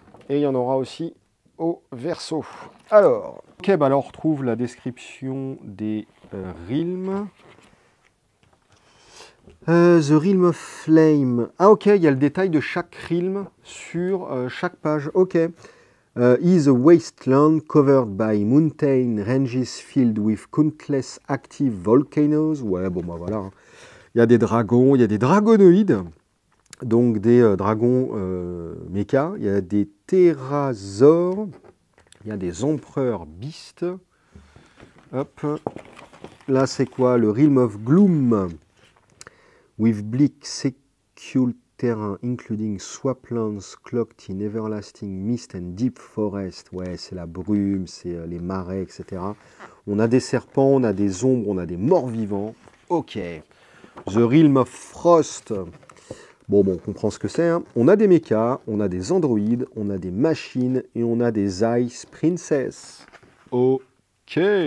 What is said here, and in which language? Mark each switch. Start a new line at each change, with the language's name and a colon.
French: Et il y en aura aussi au verso. Alors, ok, bah là on retrouve la description des Realm.
English: The Realm of Flame.
French: Ah ok, il y a le détail de chaque Realm sur chaque page. Ok.
English: Is a wasteland covered by mountain ranges filled with countless active volcanoes.
French: Ouais, bon bah voilà. Il y a des dragons, il y a des dragonoïdes. Donc des dragons mecha, il y a des terrasaures, il y a des empereurs beasts. Hop. Là c'est quoi? Le Realm of Gloom.
English: With bleak sequestered terrain, including swamplands cloaked in everlasting mist and deep forest.
French: Ouais, c'est la brume, c'est les marais, etc. On a des serpents, on a des ombres, on a des morts vivants. Ok.
English: The Realm of Frost.
French: Bon, bon, on comprend ce que c'est. Hein. On a des mechas, on a des androïdes, on a des machines et on a des Ice Princess. Ok.